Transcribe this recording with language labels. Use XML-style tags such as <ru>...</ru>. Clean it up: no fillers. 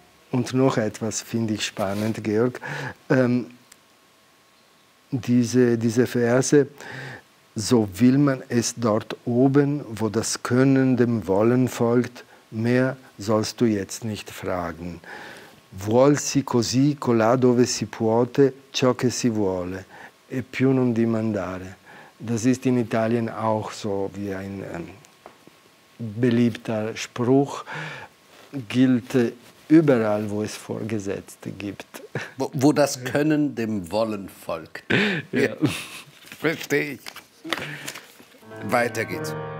<de>Und noch etwas finde ich spannend, Georg. Diese Verse: So will man es dort oben, wo das Können dem Wollen folgt, mehr sollst du jetzt nicht fragen.</de> <it>Vuol si così colà dove si puote ciò che si vuole e più non dimandare.</it> <de>Das ist in Italien auch so wie ein beliebter Spruch, gilt überall, wo es Vorgesetzte gibt. Wo das Können dem Wollen folgt. Ja. Ja. Verstehe ich. Weiter geht's.</de>